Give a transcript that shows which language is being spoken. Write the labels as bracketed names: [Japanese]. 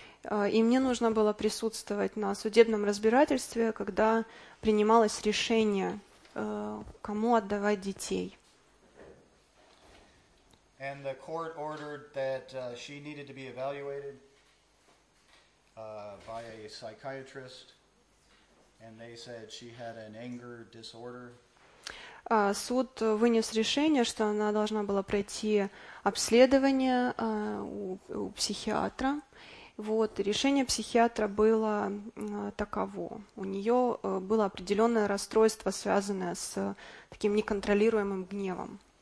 [Russian] И мне нужно было присутствовать на судебном разбирательстве, когда принималось решение, кому отдавать детей. [English] And the court ordered that she needed to be evaluated by a psychiatrist, and they said she had an anger disorder. [Russian] Суд вынес решение, что она должна была пройти обследование у психиатра. Вот, решение психиатра было таково. У нее было определенное расстройство, связанное с таким неконтролируемым гневом.